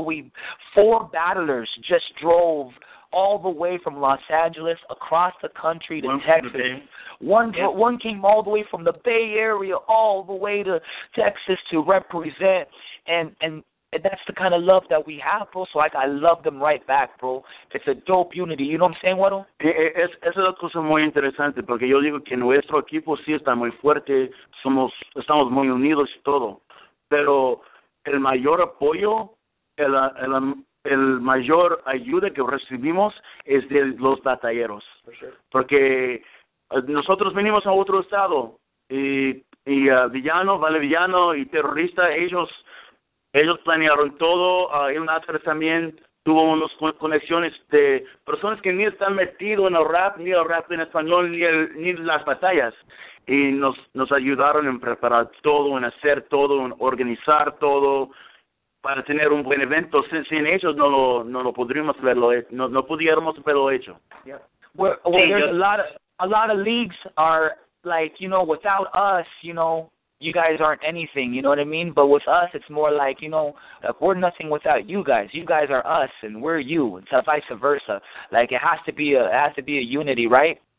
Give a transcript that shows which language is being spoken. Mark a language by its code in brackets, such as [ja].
[en] We four battlers just drove all the way from Los Angeles across the country to Texas. One came all the way from the Bay Area all the way to Texas to represent, and that's the kind of love that we have, bro. So I love them right back, bro. It's a dope unity. You know what I'm saying, Waddle? [es] Es una cosa muy interesante porque yo digo que nuestro equipo sí está muy fuerte, estamos muy unidos y todo. Pero el mayor apoyo, el mayor ayuda que recibimos es de los batalleros. Porque nosotros venimos a otro estado y Villano, Vale Villano y Terrorista, ellos planearon todo. El Nazar también tuvo unas conexiones de personas que ni están metidos en el rap en español, ni las batallas. Y nos ayudaron en preparar todo, en hacer todo, en organizar todo, para tener un buen evento. Sin ellos no pudiéramos haberlo hecho. [en] Yeah. Well, there's a lot of leagues are like, you know, without us, you know, you guys aren't anything, you know what I mean? But with us, it's more like, you know, like we're nothing without you guys. You guys are us, and we're you, and so vice versa. Like, it has to be a unity, right?